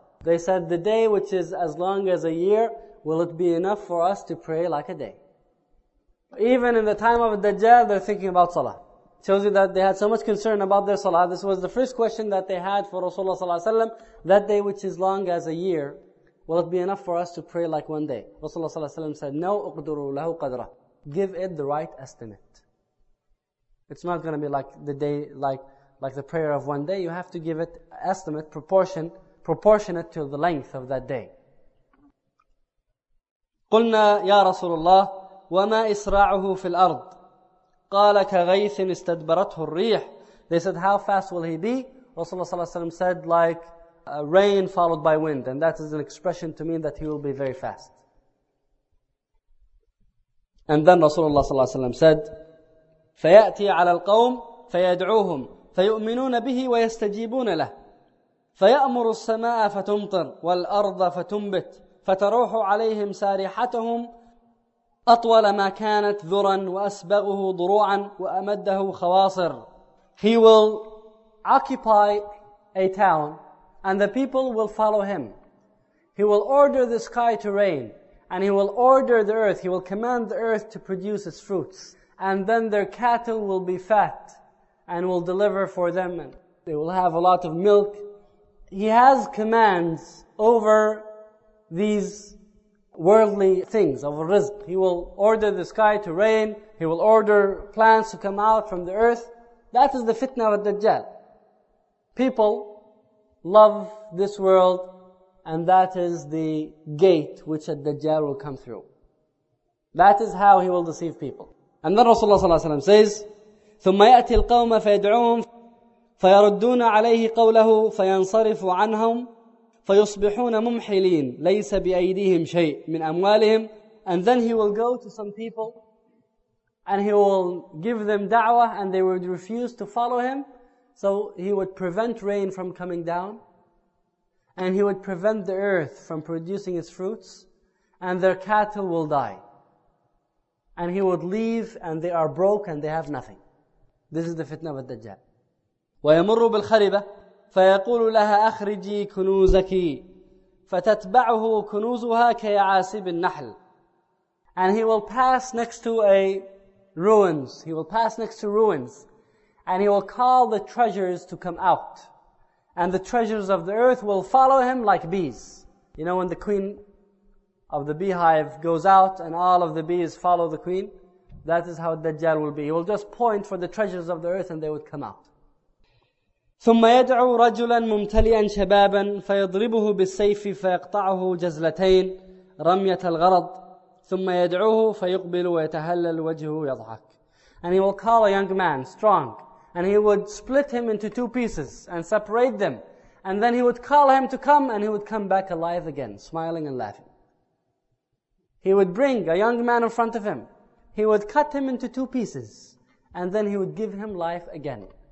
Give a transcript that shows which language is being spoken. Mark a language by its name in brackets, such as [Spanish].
[English] They said, the day which is as long as a year, will it be enough for us to pray like a day? Even in the time of الدجال, they're thinking about salah. Shows you that they had so much concern about their salah. This was the first question that they had for Rasulullah [Arabic] صلى الله عليه وسلم. [English] That day which is long as a year, will it be enough for us to pray like one day? Rasulullah صلى الله عليه وسلم said, "No, [Arabic] اقدروا له قدرة." [English] Give it the right estimate. It's not going to be like the day, like the prayer of one day. You have to give it estimate, proportionate to the length of that day. [Arabic] قلنا يا رسول الله وما إسراعه في الأرض قَالَ كَغَيْثٍ اسْتَدْبَرَتْهُ الرِّيحِ. [English] They said, how fast will he be? Rasulullah ﷺ said, like rain followed by wind. And that is an expression to mean that he will be very fast. And then Rasulullah ﷺ said, [Arabic] فَيَأْتِي عَلَى الْقَوْمِ فَيَدْعُوهُمْ فَيُؤْمِنُونَ بِهِ وَيَسْتَجِيبُونَ لَهُ فَيَأْمُرُ السَّمَاءَ فَتُمْطِرْ وَالْأَرْضَ فَتُنْبِتْ فَتَرُوحُ عَلَيْهِمْ سَارِحَتُهُمْ أطول ما كانت ذرا وأسبغه ضروعا وأمده خواصر. [English] He will occupy a town and the people will follow him. He will order the sky to rain and he will order the earth. He will command the earth to produce its fruits. And then their cattle will be fat and will deliver for them. They will have a lot of milk. He has commands over these worldly things of rizq. He will order the sky to rain. He will order plants to come out from the earth. That is the fitna of Dajjal. People love this world and that is the gate which Dajjal will come through. That is how he will deceive people. And then Rasulullah [Arabic] صلى الله عليه وسلم says, ثُمَّ يَأْتِي الْقَوْمَ فَيَدْعُوهُمْ فَيَرُدُّونَ عَلَيْهِ قَوْلَهُ فَيَنْصَرِفُ عَنْهُمْ فَيُصْبِحُونَ مُمْحِلِينَ لَيْسَ بِأَيْدِهِمْ شَيْءٍ مِنْ أَمْوَالِهِمْ. [English] And then he will go to some people and he will give them da'wah and they would refuse to follow him. So he would prevent rain from coming down and he would prevent the earth from producing its fruits and their cattle will die. And he would leave and they are broke and they have nothing. This is the fitna of Dajjal. [Arabic] وَيَمُرُّ بِالْخَرِبَةِ فَيَقُولُ لَهَا أَخْرِجِي كُنُوزَكِ فَتَتْبَعُهُ كُنُوزُهَا كَيَعَاسِبِ النَّحْلِ. [English] And he will pass next to a ruins. He will pass next to ruins. And he will call the treasures to come out. And the treasures of the earth will follow him like bees. You know when the queen of the beehive goes out and all of the bees follow the queen? That is how Dajjal will be. He will just point for the treasures of the earth and they would come out. [Arabic] ثم يدعو رجلا ممتليا شبابا فيضربه بالسيف فيقطعه جزلتين رمية الغرض ثم يدعوه فيقبل ويتهلل وجهه يضحك. [English] And he will call a young man strong and he would split him into two pieces and separate them and then he would call him to come and he would come back alive again smiling and laughing. He would bring a young man in front of him. He would cut him into two pieces and then he would give him life again.